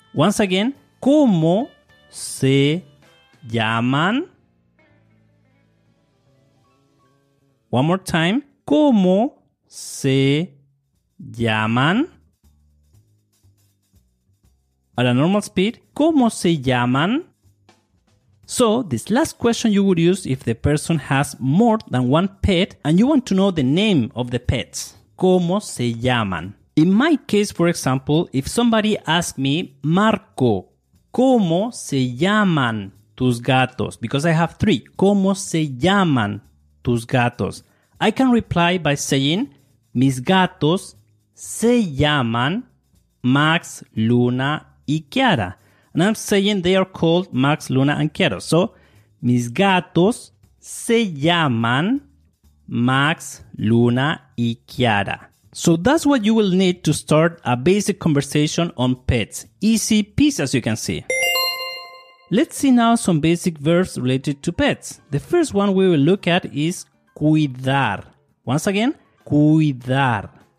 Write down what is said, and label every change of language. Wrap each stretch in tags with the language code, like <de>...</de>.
<en>Once again,</en> <es>¿cómo se llaman?</es> <en>One more time.</en> <es>¿Cómo se llaman?</es> <en>At a normal speed,</en> <es>¿cómo se llaman?</es> <en>So, this last question you would use if the person has more than one pet and you want to know the name of the pets.</en> <es>¿Cómo se llaman?</es> <en>In my case, for example, if somebody asks me, Marco,</en> <es>¿cómo se llaman tus gatos?</es> <en>Because I have three.</en> <es>¿Cómo se llaman tus gatos?</es> <en>I can reply by saying,</en> <es>mis gatos se llaman Max, Luna y Kiara.</es> <en>And I'm saying they are called Max, Luna and Kiara. So,</en> <es>mis gatos se llaman Max, Luna y Kiara.</es> <en>So that's what you will need to start a basic conversation on pets. Easy peasy, as you can see. Let's see now some basic verbs related to pets. The first one we will look at is cuidar. Once again, cuidar.</en>